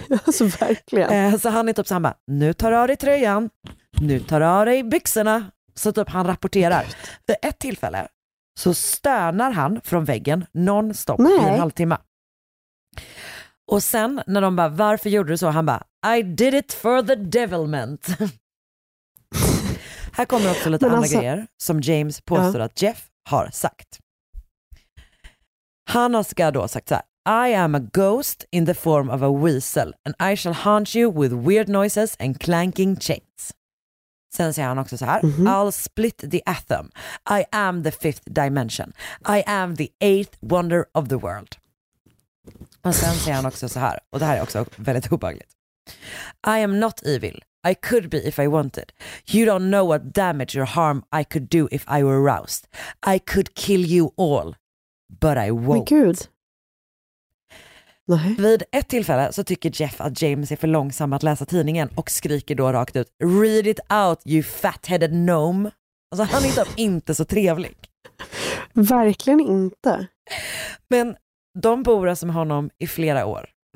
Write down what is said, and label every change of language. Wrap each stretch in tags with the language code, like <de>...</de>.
<sv>Alltså verkligen. Så han är typ så här: nu tar du av dig tröjan, nu tar du av dig byxorna. Så typ han rapporterar. Det är ett tillfälle. Så stönar han från väggen nonstop i en halvtimme. Och sen när de bara: varför gjorde du så? Han bara:</sv> <en>I did it for the devilment.</en> <sv>Här kommer också lite andra grejer som James påstår att Jeff har sagt. Han har då sagt så här:</sv> <en>I am a ghost in the form of a weasel, and I shall haunt you with weird noises and clanking chains.</en> <sv>Sen säger han också så här:</sv> <en>I'll split the atom. I am the fifth dimension. I am the eighth wonder of the world.</en> <sv>Och sen säger han också så här, och det här är också väldigt obehagligt:</sv> <en>I am not evil. I could be if I wanted. You don't know what damage or harm I could do if I were roused. I could kill you all, but I won't. My God.</en> <sv>Nej. Vid ett tillfälle så tycker Jeff att James är för långsam att läsa tidningen och skriker då rakt ut:</sv> <en>read it out, you fat-headed gnome.</en> <sv>Alltså, han är inte så trevlig. Verkligen inte. Men de bor alltså med honom i flera år.</sv>